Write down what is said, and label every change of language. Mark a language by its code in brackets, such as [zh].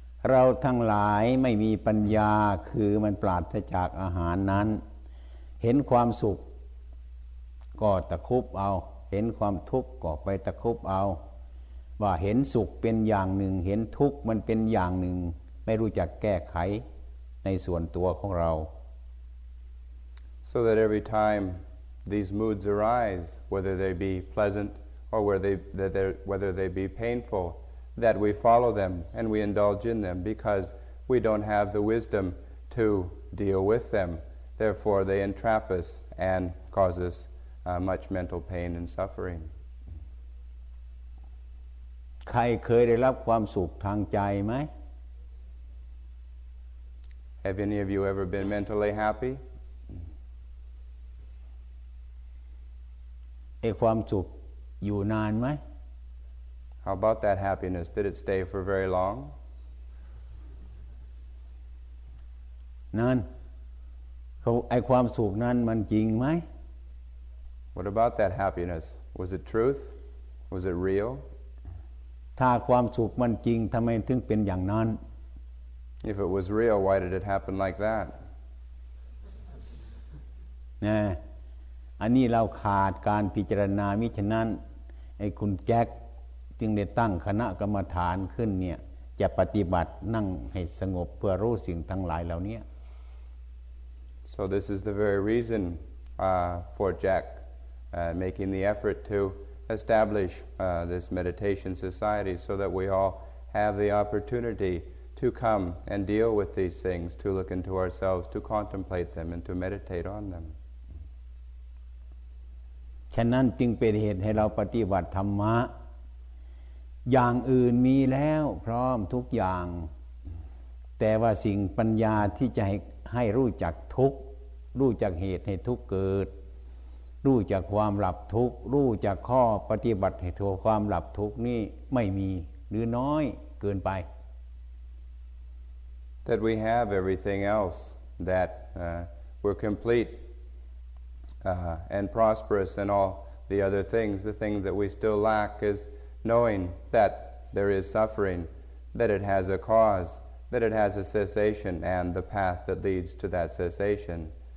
[th] เราทั้งหลายไม่มีปัญญาคือมันปราศจากอาหารนั้นเห็นความสุขก็ตะคุบเอาเห็นความทุกข์ก็ไปตะคุบเอาว่าเห็นสุขเป็นอย่างหนึ่งเห็นทุกข์มันเป็นอย่างหนึ่งไม่รู้จักแก้ไขในส่วนตัวของเรา [en] So that every time these moods arise whether they be pleasant or whether they be painful that we follow them and we indulge in them because we don't have the wisdom to deal with them therefore they entrap us and cause usmuch mental pain and suffering. [th] ใครเคยได้รับความสุขทางใจไหม [en] Have any of you ever been mentally happy? [th] ไอ้ความสุขอยู่นานไหม [en] How about that happiness? Did it stay for very long? [th] นั่นไอความสุขนั้นมันจริงไหม [en] What about that happiness? Was it truth? Was it real? [th] ถ้าความสุขมันจริงทำไมถึงเป็นอย่างนั้น [en] If it was real, why did it happen like that? [th] นะอันนี้เราขาดการพิจารณามิฉะนั้นไอ้คุณแจ็คจึงได้ตั้งคณะกรรมฐานขึ้นเนี่ยจะปฏิบัตินั่งให้สงบเพื่อรู้สิ่งทั้งหลายเหล่านี้ [en] So this is the very reason for Jack making the effort to establish this meditation society so that we all have the opportunity to come and deal with these things to look into ourselves to contemplate them and to meditate on them [th] ฉะนั้นจึงเป็นเหตุให้เราปฏิบัติธรรมะอย่างอื่นมีแล้วพร้อมทุกอย่างแต่ว่าสิ่งปัญญาที่จะให้รู้จักทุกข์รู้จักเหตุให้ทุกข์เกิดรู้จักความหลับทุกข์รู้จักข้อปฏิบัติให้ถึงความหลับทุกข์นี่ไม่มีหรือน้อยเกินไป [en] That we have everything else that we're completeand prosperous and all the other things. The thing that we still lack is knowing that there is suffering, that it has a cause, that it has a cessation, and the path that leads to that cessation.